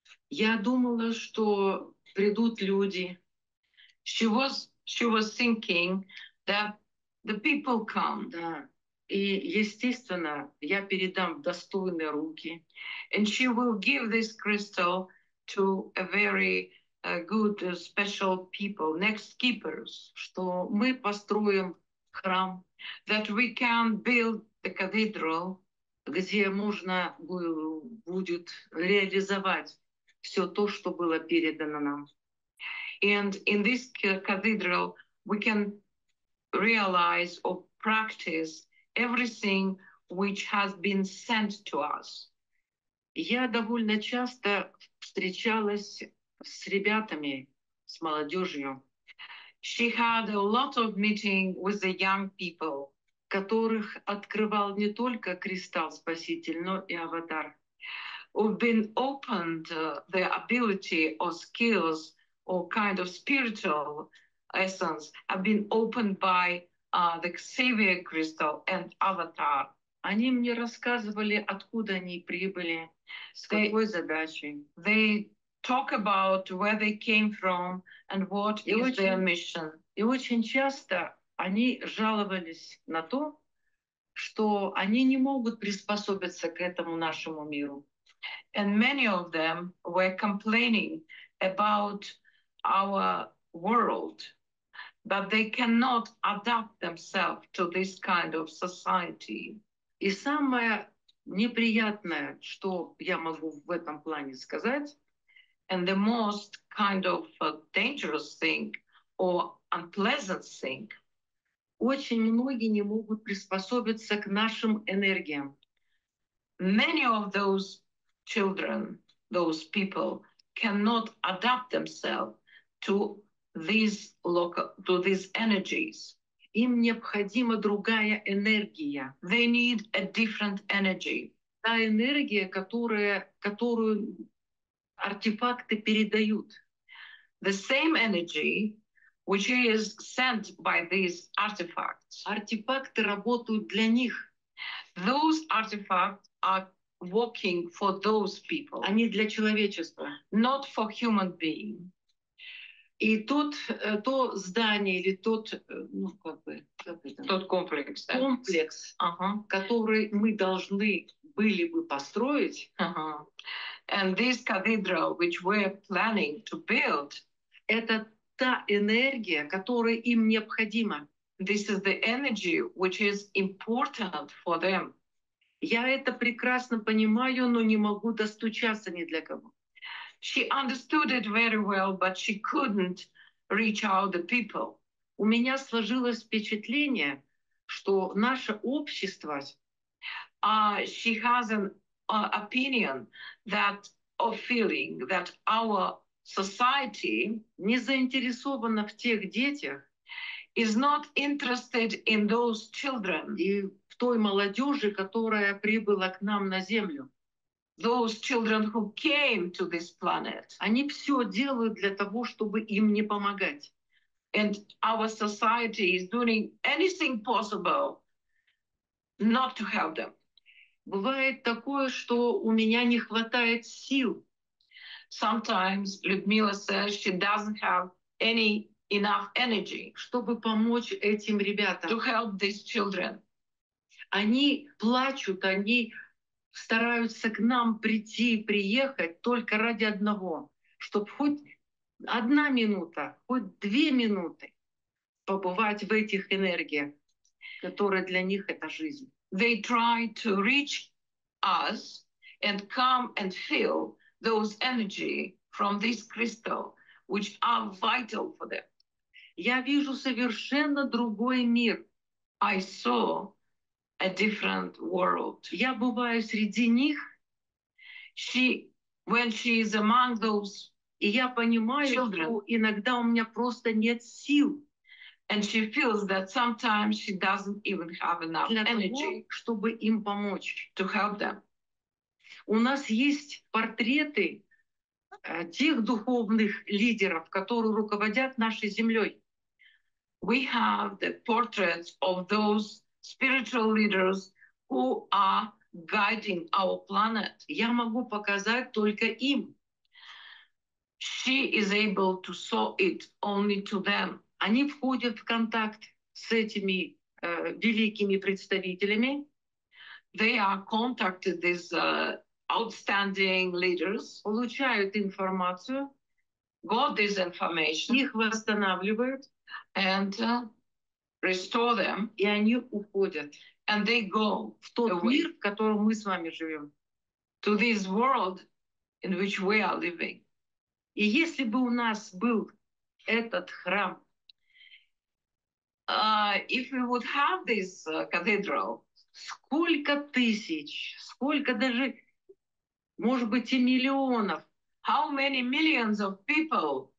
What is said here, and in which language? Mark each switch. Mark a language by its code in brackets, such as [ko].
[ru] Я думала, что придут люди. [en] She was thinking that the people come. [ru] Да. И естественно, я передам в достойные руки. [en] And she will give this crystal to a very good special people, next keepers. [ru] Что мы построим храм. [en] That we can build the cathedral, [ru] где можно будет реализовать все то, что было передано нам. [en] And in this cathedral we can realize or practice everything which has been sent to us. [ru] Я довольно часто встречалась с ребятами, с молодежью. [en] She had a lot of meeting with the young people, [ru] которых открывал не только кристалл спаситель, но и аватар. [en] Who've been opened the ability or skills or kind of spiritual essence have been opened by the Xavier crystal and avatar. [ru] Они мне рассказывали, откуда они прибыли, с какой задачей. [en] They talk about where they came from and what is their mission. [ru] И очень часто они жаловались на то, что они не могут приспособиться к этому нашему миру. [en] And many of them were complaining about our world, that they cannot adapt themselves to this kind of society. [ru] И самое неприятное, что я могу в этом плане сказать, [en] and the most kind of dangerous thing or unpleasant thing, [ru] очень многие не могут приспособиться к нашим энергиям. [en] Many of those children, those people, cannot adapt themselves to these local, to these energies. [ru] Им необходима другая энергия. [en] They need a different energy. [ru] Та энергия, которую артефакты передают. [en] The same energy which is sent by these artifacts. [ru] Артефакты работают для них. [en] Those artifacts are working for those people. [ru] Они для человечества. [en] Not for human being. [ru] И тут то здание или тот, ну как бы, тот комплекс, да? Комплекс, который мы должны были бы построить. [en] And this cathedral which we're planning to build, [ru] это та энергия, которая им необходима. [en] This is the energy which is important for them. [ru] Я это прекрасно понимаю, но не могу достучаться ни для кого. [en] She understood it very well, but she couldn't reach out the people. [ru] У меня сложилось впечатление, что наше общество, [en] she has an opinion that or feeling that our society [ru] не заинтересована в тех детях, [en] is not interested in those children, [ru] и в той молодежи, которая прибыла к нам на землю. [en] Those children who came to this planet. [ru] Они все делают для того, чтобы им не помогать. [en] And our society is doing anything possible not to help them. [ru] Бывает такое, что у меня не хватает сил. [en] Sometimes Людмила says she doesn't have any enough energy. [ru] Чтобы помочь этим ребятам. [en] To help these children. [ru] Они плачут, они стараются к нам прийти, приехать только ради одного, чтобы хоть одна минута, хоть две минуты побывать в этих энергиях, которые для них это жизнь. [en] They try to reach us and come and feel those energy from this crystal, which are vital for them. [ru] Я вижу совершенно другой мир. [en] I saw a different world. [ru] Я бываю среди них. [en] She, when she is among those, [ru] и я понимаю, [en] children, [ru] что иногда у меня просто нет сил. [en] And she feels that sometimes she doesn't even have enough [ru] для [en] energy, [ru] того, чтобы им помочь. [en] To help them. [ru] У нас есть портреты тех духовных лидеров, которые руководят нашей землей. [en] We have the portraits of those spiritual leaders who are guiding our planet. [ru] Я могу показать только им. [en] She is able to show it only to them. [ru] Они входят в контакт с этими великими представителями. [en] They are contacted these outstanding leaders. [ru] Получают информацию. [en] Got this information. [ru] Их восстанавливают. [en] And restore them, [ru] и они уходят, [en] and they go [ru] в тот мир, в котором мы с вами живем, [en] to this world in which we are living. [ru] И если бы у нас был этот храм, [en] if we would have this cathedral, [ru] Сколько тысяч, сколько даже, может быть, и миллионов. [en] How many millions of people